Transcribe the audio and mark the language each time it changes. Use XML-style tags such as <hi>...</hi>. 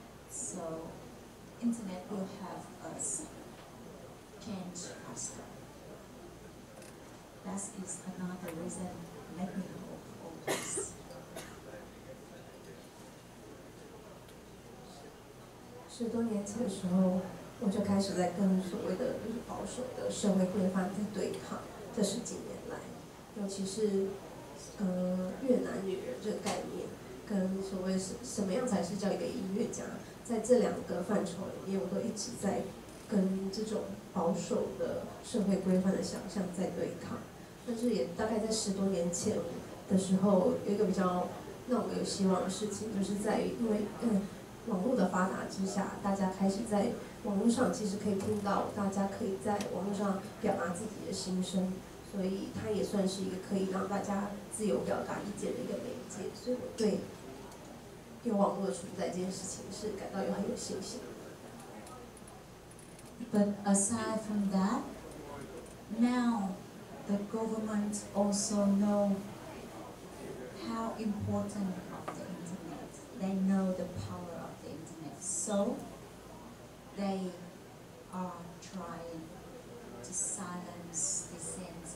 <en>So, internet will have us change faster. That is another reason, let me hope for this.</en> <zh>十多年前的时候，我就开始在跟所谓的保守的社会规范在对抗。这十几年来，尤其是越南女人这个概念。跟所谓什么样才是叫一个音乐家，在这两个范畴里面，我都一直在跟这种保守的社会规范的想象在对抗。但是也大概在十多年前的时候，有一个比较让我有希望的事情，就是在于因为网络的发达之下，大家开始在网络上其实可以听到，大家可以在网络上表达自己的心声。所以它也算是一个可以让大家自由表达意见的一个媒介，所以我对有网络的存在这件事情是感到有很有信心。</zh> <en>But aside from that, now the government also know how important of the internet. They know the power of the internet, so they are trying to silence dissent.</en>